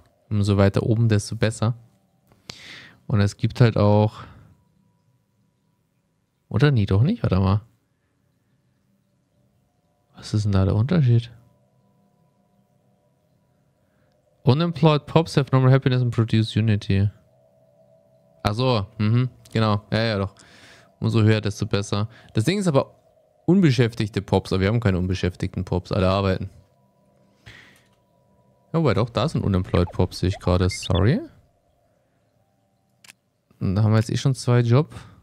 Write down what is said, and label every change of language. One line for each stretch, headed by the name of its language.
German: Umso weiter oben, desto besser. Und es gibt halt auch, oder nie, doch nicht, warte mal. Was ist denn da der Unterschied?
English: Unemployed Pops have normal happiness and produce unity.
German: Achso, genau. Ja, doch. Umso höher, desto besser. Das Ding ist aber, unbeschäftigte Pops, aber wir haben keine unbeschäftigten Pops, alle arbeiten. Ja, wobei doch, da sind Unemployed Pops, sehe ich gerade. Sorry. Und da haben wir jetzt eh schon zwei Jobs.